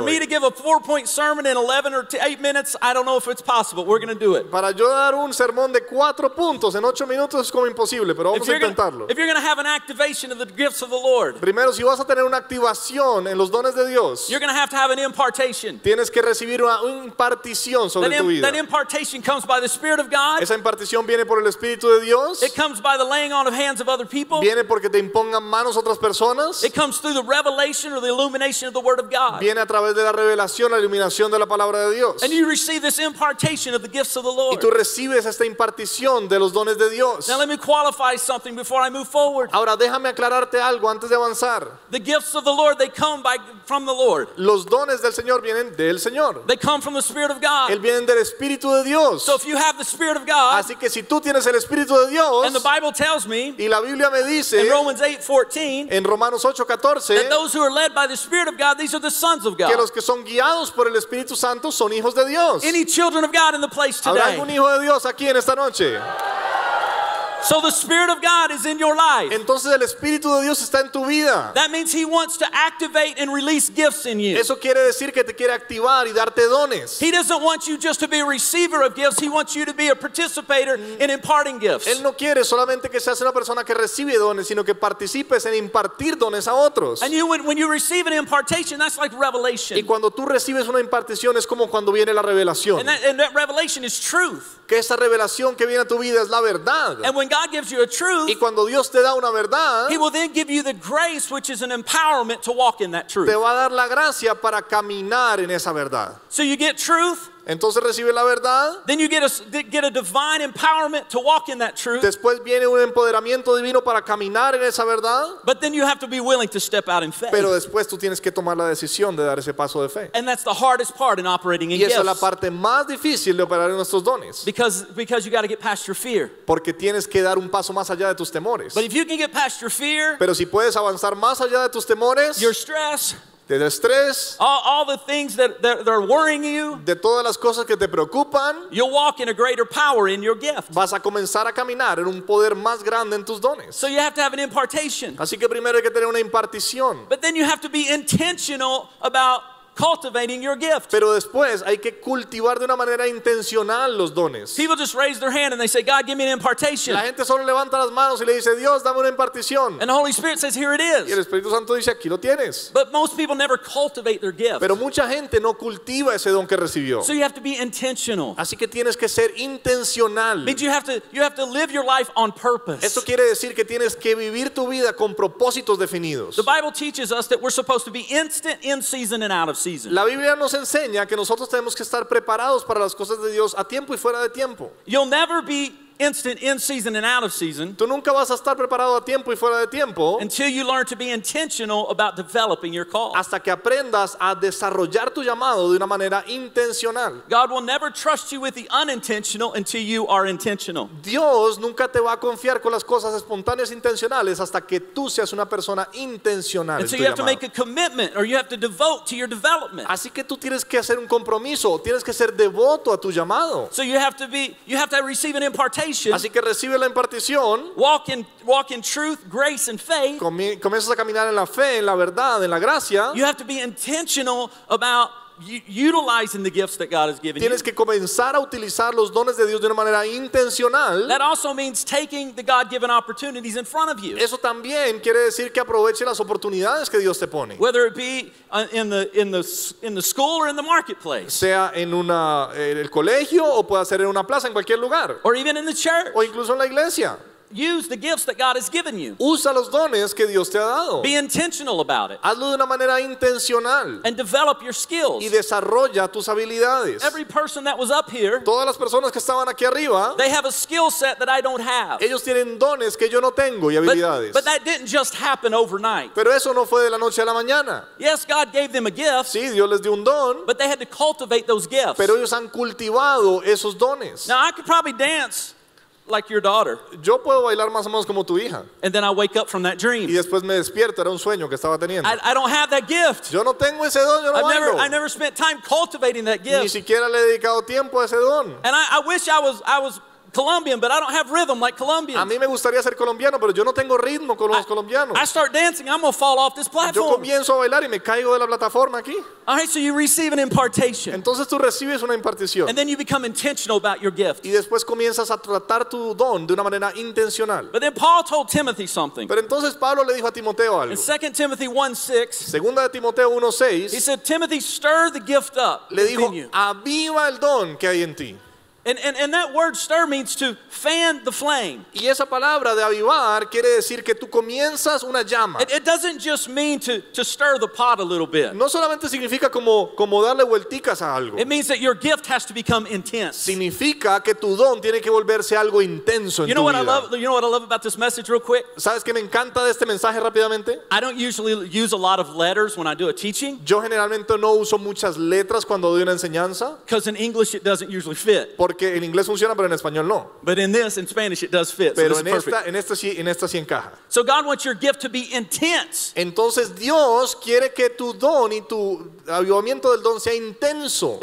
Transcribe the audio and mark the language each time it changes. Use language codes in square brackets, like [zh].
[en] For me to give a 4-point sermon in 11 or 8 minutes, I don't know if it's possible. We're going to do it. [es] Para yo dar un sermón de 4 puntos en 8 minutos es como imposible, pero vamos a intentarlo. [en] If you're going to have an activation of the gifts of the Lord, [es] primero, si vas a tener una activación en los dones de Dios, [en] you're going to have an impartation. [es] Tienes que recibir una impartición sobre tu vida. [en] That impartation comes by the Spirit of God. [es] Esa impartición viene por el Espíritu de Dios. [en] It comes by the laying on of hands of other people. [es] Viene porque te impongan manos otras personas. [en] It comes through the revelation or the illumination of the Word of God. [es] Viene a través de la revelación, la iluminación de la palabra de Dios. [en] And you receive this impartation of the gifts of the Lord. [es] Y tú recibes esta impartición de los dones de Dios. [en] Now let me really qualify something before I move forward. [es] Ahora déjame aclararte algo antes de avanzar. [en] The gifts of the Lord, they come by from the Lord. [es] Los dones del Señor vienen del Señor. [en] They come from the Spirit of God. [es] Él viene del Espíritu de Dios. [en] So if you have the Spirit of God, [es] así que si tú tienes el Espíritu de Dios, [en] and the Bible tells me, [es] y la Biblia me dice, [en] in Romans 8:14, [es] en Romanos 8:14, [en] that those who are led by the Spirit of God, these are the sons of God. [es] Que los que son guiados por el Espíritu Santo son hijos de Dios. [en] Any children of God in the place today? [es] ¿Habrá algún hijo de Dios aquí en esta noche? [en] So the Spirit of God is in your life. [es] Entonces el Espíritu de Dios está en tu vida. [en] That means He wants to activate and release gifts in you. [es] Eso quiere decir que te quiere activar y darte dones. [en] He doesn't want you just to be a receiver of gifts. He wants you to be a participator in imparting gifts. [es] Él no quiere solamente que seas una persona que recibe dones, sino que participes en impartir dones a otros. [en] And you, when you receive an impartation, that's like revelation. [es] Y cuando tú recibes una impartición es como cuando viene la revelación. [en] And that revelation is truth. [es] Que esa revelación que viene a tu vida es la verdad. [en] And when God gives you a truth, [es] y cuando Dios te da una verdad, [en] He will then give you the grace, which is an empowerment to walk in that truth. [es] Te va a dar la gracia para caminar en esa verdad. [en] So you get truth. [es] Entonces recibe la verdad. [en] Then you get a divine empowerment to walk in that truth. [es] Después viene un empoderamiento divino para caminar en esa verdad. [en] But then you have to be willing to step out in faith. [es] Pero después tú tienes que tomar la decisión de dar ese paso de fe. [en] And that's the hardest part in operating in gifts. [es] Y esa es la parte más difícil de operar en nuestros dones. [en] Because you got to get past your fear. [es] Porque tienes que dar un paso más allá de tus temores. [en] But if you can get past your fear, [es] pero si puedes avanzar más allá de tus temores, [en] your stress, [es] de estrés, [en] all the things that are worrying you, [es] de todas las cosas que te preocupan, [en] you'll walk in a greater power in your gift. [es] Vas a comenzar a caminar en un poder más grande en tus dones. [en] So you have to have an impartation. [es] Así que primero hay que tener una impartición. [en] But then you have to be intentional about cultivating your gift. [es] Pero después hay que cultivar de una manera intencional los dones. [en] People just raise their hand and they say, God, give me an impartation. [es] La gente solo levanta las manos y le dice, Dios, dame una impartición. [en] And the Holy Spirit says, here it is. [es] Y el Espíritu Santo dice, aquí lo tienes. [en] But most people never cultivate their gift. [es] Pero mucha gente no cultiva ese don que recibió. [en] So you have to be intentional. [es] Así que tienes que ser intencional. [en] Means you have to live your life on purpose. [es] Esto quiere decir que tienes que vivir tu vida con propósitos definidos. [en] The Bible teaches us that we're supposed to be instant, in season and out of season. [es] La Biblia nos enseña que nosotros tenemos que estar preparados para las cosas de Dios a tiempo y fuera de tiempo. [en] You'll never be instant in season and out of season. [es] Tú nunca vas a estar preparado a tiempo y fuera de tiempo. [en] Until you learn to be intentional about developing your call. [es] Hasta que aprendas a desarrollar tu llamado de una manera intencional. [en] God will never trust you with the unintentional until you are intentional. [es] Dios nunca te va a confiar con las cosas espontáneas intencionales hasta que tú seas una persona intencional. [en] And so you have to make a commitment or you have to devote to your development. [es] Así que tú tienes que hacer un compromiso, tienes que ser devoto a tu llamado. [en] So you have to receive an impartation. [es] Así que recibe la impartición. [en] Walk in truth, grace, and faith. [es] Comienzas a caminar en la fe, en la verdad, en la gracia. [en] You have to be intentional about utilizing the gifts that God has given you. [es] Tienes que comenzar a utilizar los dones de Dios de una manera intencional. [en] That also means taking the God-given opportunities in front of you. [es] Eso también quiere decir que aproveche las oportunidades que Dios te pone. [en] Whether it be in the school or in the marketplace. [es] Sea en una el colegio o pueda ser en una plaza en cualquier lugar. [en] Or even in the church. [es] O incluso en la iglesia. [en] Use the gifts that God has given you. [es] Usa los dones que Dios te ha dado. [en] Be intentional about it. [es] Hazlo de una manera intencional. [en] And develop your skills. [es] Y desarrolla tus habilidades. [en] Every person that was up here, [es] todas las personas que estaban aquí arriba, [en] they have a skill set that I don't have. [es] Ellos tienen dones que yo no tengo y habilidades. [en] But that didn't just happen overnight. [es] Pero eso no fue de la noche a la mañana. [en] Yes, God gave them a gift. [es] Sí, Dios les dio un don. [en] But they had to cultivate those gifts. [es] Pero ellos han cultivado esos dones. [en] Now I could probably dance like your daughter. [es] Yo puedo bailar más o menos como tu hija. [en] And then I wake up from that dream. [es] Y después me despierto, era un sueño que estaba teniendo. [en] I don't have that gift. [es] Yo no tengo ese don, yo no bailo. [en] I never spent time cultivating that gift. [es] Ni siquiera le he dedicado tiempo a ese don. [en] And I wish I was Colombian, but I don't have rhythm like Colombians. [es] A mí me gustaría ser colombiano, pero yo no tengo ritmo con los colombianos. [en] I start dancing, I'm gonna fall off this platform. [es] Yo comienzo a bailar y me caigo de la plataforma aquí. [en] All right, so you receive an impartation. [es] Entonces tú recibes una impartición. [en] And then you become intentional about your gift. [es] Y después comienzas a tratar tu don de una manera intencional. [en] But then Paul told Timothy something. [es] Pero entonces Pablo le dijo a Timoteo algo. [en] In 2 Timothy 1:6. [es] Segunda de Timoteo 1:6. [en] He said, Timothy, stir the gift up. [es] Le dijo, aviva el don que hay en ti. [en] And that word stir means to fan the flame. [es] Y esa palabra de avivar quiere decir que tú comienzas una llama. [en] It doesn't just mean to stir the pot a little bit. [es] No solamente significa como darle vuelticas a algo. [en] It means that your gift has to become intense. [es] Significa que tu don tiene que volverse algo intenso en [en] know what I love about this message real quick? [es] ¿Sabes qué me encanta de este mensaje rápidamente? [en] I don't usually use a lot of letters when I do a teaching. [es] Yo generalmente no uso muchas letras cuando doy una enseñanza. [en] Because in English it doesn't usually fit. [es] Porque en inglés funciona, pero en español no. [en] But in this, in Spanish, it does fit. [es] Pero [en] so this is perfect. [es] En esta sí encaja. [en] So God wants your gift to be intense. [es] Entonces Dios quiere que tu don y tu avivamiento del don sea intenso.